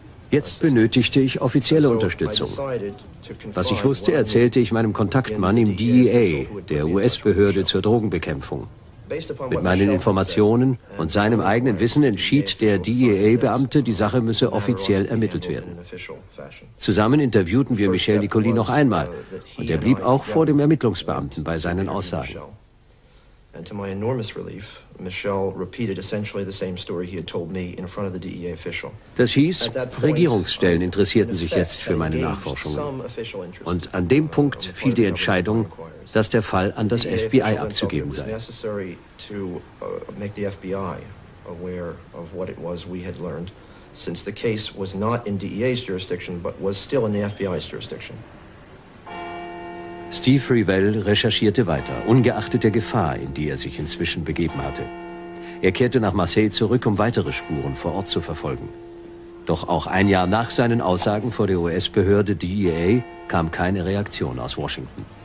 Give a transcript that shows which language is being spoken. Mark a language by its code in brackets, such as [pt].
[de] Jetzt benötigte ich offizielle Unterstützung. Was ich wusste, erzählte ich meinem Kontaktmann im DEA, der US-Behörde zur Drogenbekämpfung. Mit meinen Informationen und seinem eigenen Wissen entschied der DEA-Beamte, die Sache müsse offiziell ermittelt werden. Zusammen interviewten wir Michel Nicoli noch einmal und er blieb auch vor dem Ermittlungsbeamten bei seinen Aussagen. [en] And to my enormous relief, Michel repeated essentially the same story he had told me in front of the DEA official. [de] Das hieß, Regierungsstellen interessierten sich jetzt für meine Nachforschungen. Und an dem Punkt fiel die Entscheidung, dass der Fall an das FBI abzugeben sei. [en] Necessary to make the FBI aware of what it was we had learned, since the case was not in DEA's jurisdiction, but was still in the FBI's jurisdiction. [de] Steve Revell recherchierte weiter, ungeachtet der Gefahr, in die er sich inzwischen begeben hatte. Er kehrte nach Marseille zurück, um weitere Spuren vor Ort zu verfolgen. Doch auch ein Jahr nach seinen Aussagen vor der US-Behörde DEA kam keine Reaktion aus Washington.